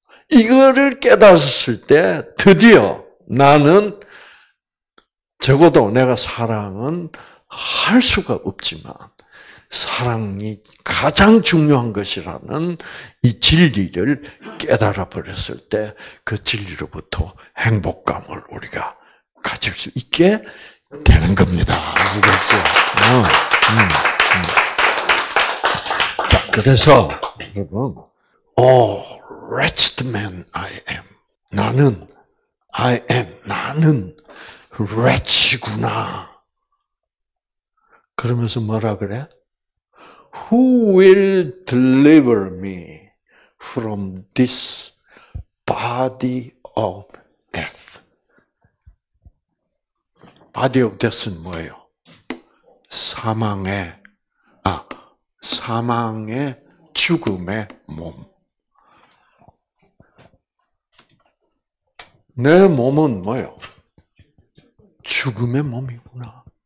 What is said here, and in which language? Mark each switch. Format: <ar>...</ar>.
<ko>이거를 깨달았을 때 드디어 나는 적어도 내가 사랑은 할 수가 없지만 사랑이 가장 중요한 것이라는 이 진리를 깨달아 버렸을 때 그 진리로부터 행복감을 우리가 가질 수 있게 되는 겁니다. 아시겠죠? 자, 그래서 여러분,</ko> <en>Oh, wretched man I am.</en> <ko>나는</ko> <en>I am.</en> <ko>나는 wretched구나. 그러면서 뭐라 그래?</ko> <en>Who will deliver me from this body of death? Body of death는</en> <ko>뭐예요? 사망의, 아, 사망의 죽음의 몸. 내 몸은 뭐예요? 죽음의 몸이구나.</ko>